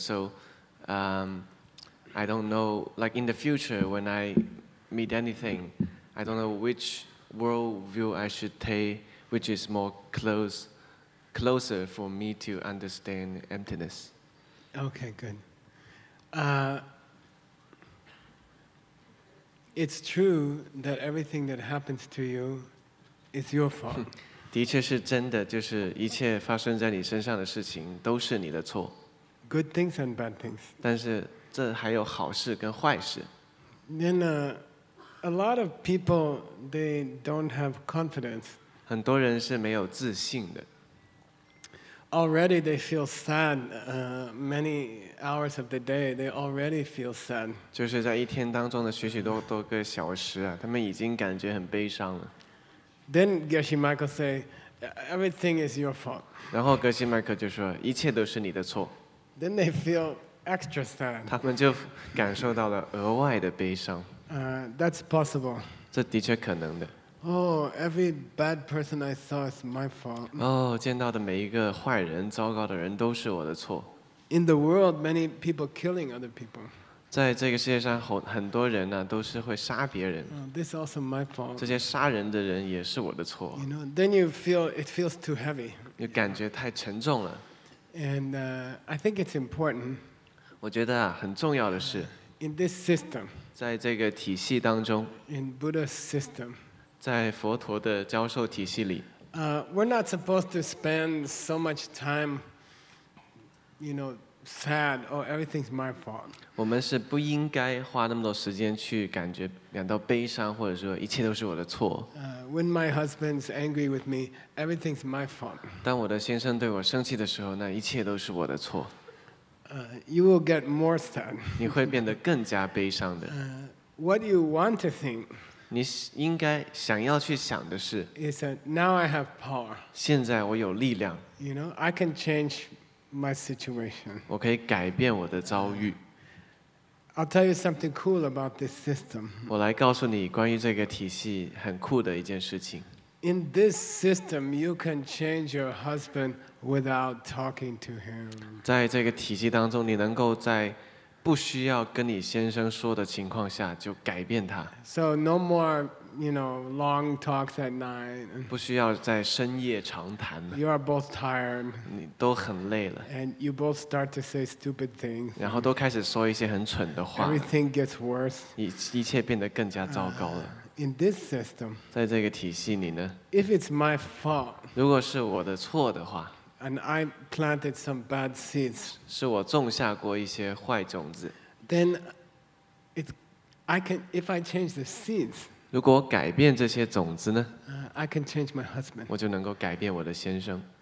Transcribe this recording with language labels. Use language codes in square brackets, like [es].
[en] So I don't know, like in the future when I meet anything, I don't know which worldview I should take, which is more closer for me to understand emptiness. Okay, good. It's true that everything that happens to you is your fault. [zh] 的确是真的，就是一切发生在你身上的事情都是你的错。 [en] Good things and bad things. [zh] 但是这还有好事跟坏事。 [en] Then a lot of people, they don't have confidence. [zh] 很多人是没有自信的。 [en] Already they feel sad, many hours of the day, they already feel sad. [zh] 就是在一天当中的许许多多个小时啊，他们已经感觉很悲伤了。 [en] Then Geshe Michael say, everything is your fault. [zh] 然后格西麦克就说，一切都是你的错。 [en] Then they feel extra sad. [zh] 他们就感受到了额外的悲伤。 [en] That's possible. [zh] 这的确可能的。 [en] Oh, every bad person I saw is my fault. [zh] Oh, 见到的每一个坏人、糟糕的人都是我的错。 [en] In the world, many people killing other people. [zh] 在这个世界上，很多人呢都是会杀别人。 [en] This is also my fault. [zh] 这些杀人的人也是我的错。 [en] You know, then you feel it feels too heavy. [zh] 就感觉太沉重了。 [en] And I think it's important. [zh] 我觉得啊，很重要的是。 [en] In this system. [zh] 在这个体系当中。 [en] In Buddha's system. [zh] 在佛陀的教授体系里 [en] we're not supposed to spend so much time, you know, sad or everything's my fault. [zh] 我们是不应该花那么多时间去感觉感到悲伤，或者说一切都是我的错。 [en] When my husband's angry with me, everything's my fault. [zh] 当我的先生对我生气的时候，那一切都是我的错。 [en] You will get more sad. [zh] 你会变得更加悲伤的。 [en] What you want to think. [zh] 你应该想要去想的是。 [en] Is that now I have power. [zh] 现在我有力量。 [en] You know, I can change my situation. [zh] 我可以改变我的遭遇。 [en] I'll tell you something cool about this system. [zh] 我来告诉你关于这个体系很酷的一件事情。 [en] In this system, you can change your husband without talking to him. [zh] 在这个体系当中，你能够在不需要跟你先生说的情况下就改变他。 [en] So no more, you know, long talks at night. [zh] 不需要在深夜长谈了。 [en] You are both tired. [zh] 你都很累了。 [en] And you both start to say stupid things. [zh] 然后都开始说一些很蠢的话。 [en] Everything gets worse. [zh] 一切变得更加糟糕了。 [en] In this system, [zh] 在这个体系里呢 [en] if it's my fault, [zh] 如果是我的错的话 [en] and I planted some bad seeds, [zh] 是我种下过一些坏种子 [en] then it, I can, if I change the seeds, [zh] 如果我改变这些种子呢 [en] I can change my husband, [zh] 我就能够改变我的先生